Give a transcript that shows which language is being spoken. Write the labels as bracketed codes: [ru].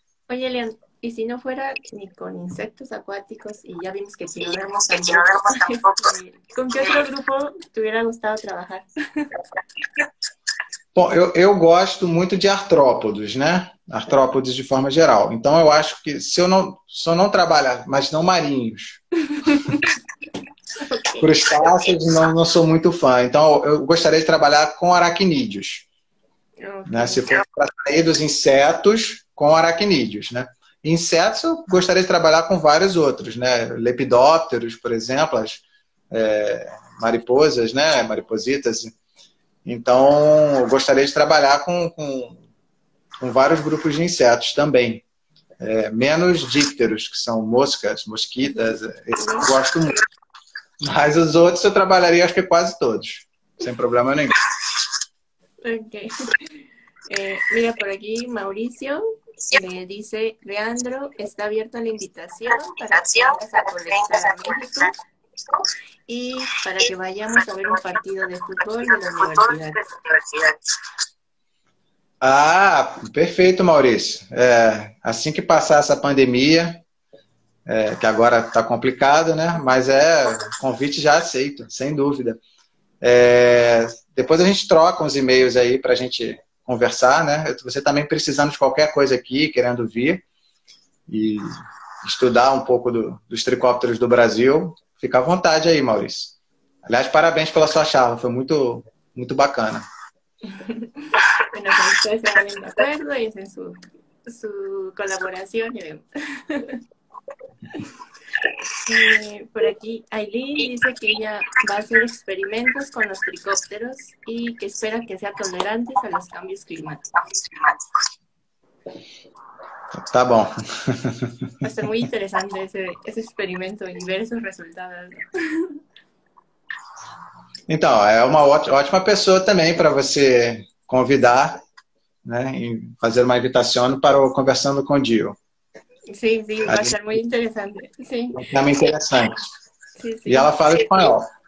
[es] Oye, Leon, y si no fuera ni con insectos acuáticos, y ya vimos que Equinodermos tampoco, ¿con qué otro grupo te hubiera gustado trabajar? [pt] Bom, eu gosto muito de artrópodos, né? Artrópodes de forma geral. Então, eu acho que se eu não trabalhar, mas não marinhos, crustáceos, não sou muito fã. Então, eu gostaria de trabalhar com aracnídeos, né? Se for para sair dos insetos, com aracnídeos, né? Insetos, eu gostaria de trabalhar com vários outros, né? Lepidópteros, por exemplo, mariposas, né? Maripositas. Então, eu gostaria de trabalhar com vários grupos de insetos também. Menos dípteros, que são moscas, mosquitas, esses eu gosto muito. Mas os outros eu trabalharia, acho que quase todos, sem problema nenhum. [es] Mira, por aquí Mauricio me dice, Leandro, está abierta la invitación para que vengas a colectar a México y para que vayamos a ver un partido de fútbol de la universidad. [pt] Ah, perfeito, Maurício. Assim que passar essa pandemia, que agora está complicado, né? Mas convite já aceito, sem dúvida. Depois a gente troca uns e-mails aí para a gente conversar, né? Você também precisando de qualquer coisa aqui, querendo vir e estudar um pouco dos tricópteros do Brasil, fica à vontade aí, Maurício. Aliás, parabéns pela sua charla, foi muito, muito bacana. [es] Bueno, con ustedes se ponen de acuerdo y hacen su colaboración y vemos. Por aquí, Aileen dice que ella va a hacer experimentos con los tricópteros y que espera que sean tolerantes a los cambios climáticos. [pt] Tá bom. [es] Va a ser muy interesante ese experimento y ver esos resultados, ¿no? [pt] Então, é uma ótima pessoa também para você convidar, né, e fazer uma invitação para o Conversando com o Dio. Sim, vai ser muito interessante. Sim. É muito interessante. E Sim. ela fala espanhol.